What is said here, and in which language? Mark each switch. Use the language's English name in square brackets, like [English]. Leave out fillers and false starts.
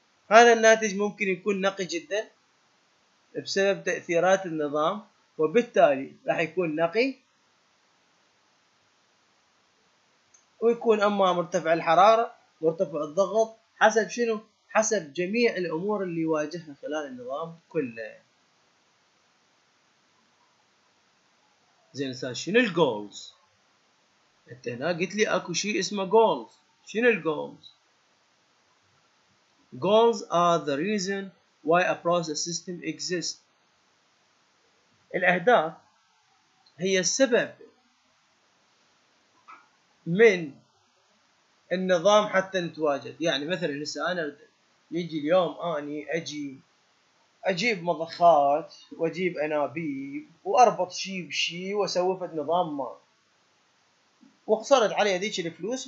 [Arabic] هذا الناتج ممكن يكون نقي جدا بسبب تأثيرات النظام، وبالتالي راح يكون نقي ويكون اما مرتفع الحرارة مرتفع الضغط حسب شنو؟ حسب جميع الامور اللي يواجهها خلال النظام كله. زين شنو الجولز؟ انت هنا قلت لي اكو شيء اسمه جولز. شنو الجولز؟ [English] goals are the reason why a process system exists. [Arabic] الأهداف هي السبب من النظام حتى نتواجد. يعني مثلا لسه أنا يجي اليوم أني أجيب مضخات وأجيب أنابيب وأربط شي بشي وأسوي في النظام ما، وقصرت علي هذيك الفلوس.